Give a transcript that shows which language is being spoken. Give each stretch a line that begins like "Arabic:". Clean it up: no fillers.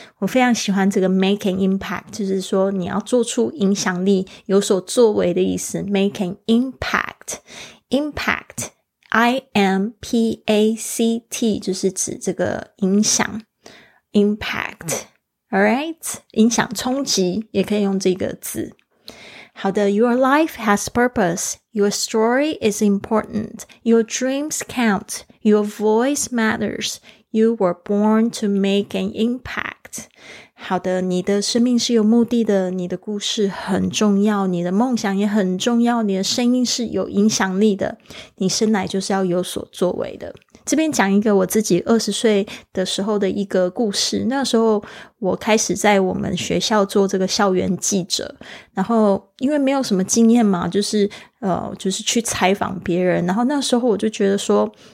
Chinese: 我非常喜欢这个
English: make an impact，
Chinese: 就是说你要做出影响力，有所作为的意思， make an impact I-M-P-A-C-T 就是指这个影响 impact。 Alright， 影响冲击也可以用这个字。好的，
English: Your life has purpose. Your story is important. Your dreams count. Your voice matters. You were born to make an impact.
Chinese: 好的，你的生命是有目的的，你的故事很重要，你的梦想也很重要，你的声音是有影响力的，你生来就是要有所作为的。这边讲一个我自己20岁的时候的一个故事。那时候我开始在我们学校做这个校园记者，然后因为没有什么经验嘛，就是去采访别人，然后那时候我就觉得说，